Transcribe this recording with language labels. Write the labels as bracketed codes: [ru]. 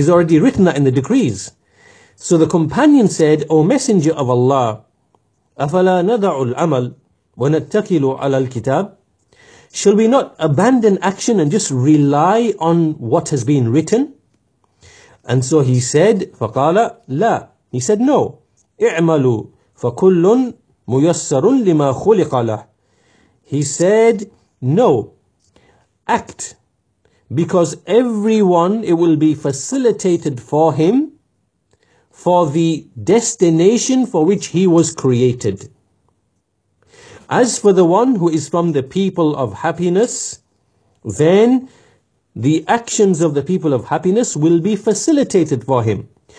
[en] He's already written that in the decrees. So the companion said, O Messenger of Allah, [ar] أَفَلَا نَدَعُ الْأَمَلُ وَنَتَّكِلُ عَلَى الْكِتَابِ [en] Shall we not abandon action and just rely on what has been written? And so he said, [ar] فَقَالَ لَا [en] He said, no. [ar] اِعْمَلُوا فَكُلٌّ مُيَسَّرٌ لِمَا خُلِقَ لَهُ [en] He said, no. Act. Because everyone, it will be facilitated for him for the destination for which he was created. As for the one who is from the people of happiness, then the actions of the people of happiness will be facilitated for him.